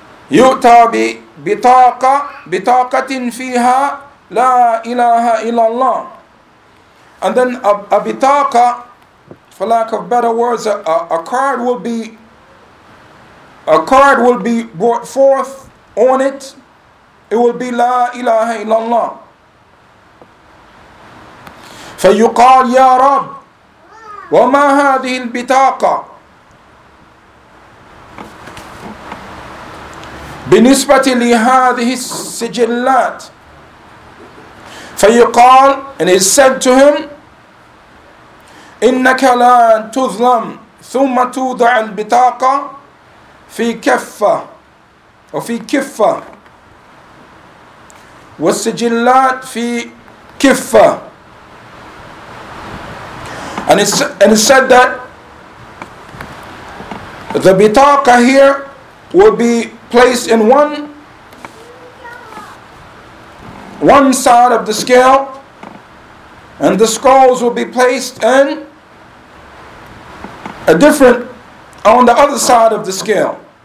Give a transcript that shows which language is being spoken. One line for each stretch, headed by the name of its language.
Arabic: يُؤْتَى بِطَاقَةٍ فِيهَا لَا إِلَهَ إِلَّا اللَّهُ.
English: And then a bitaqa, for lack of better words, a card will be brought forth on it. It will be La ilaha illallah.
Arabic: فيقال يا رب وما هذه البطاقة بالنسبة لهذه السجلات. فيقال,
English: and it is said to him,
Arabic: إنك لا تظلم ثم توضع البطاقة في كفة وفي كفة والسجلات في كفة.
English: And it said that the bitaqa here will be placed in one side of the scale, and the scrolls will be placed in a different, on the other side of the scale.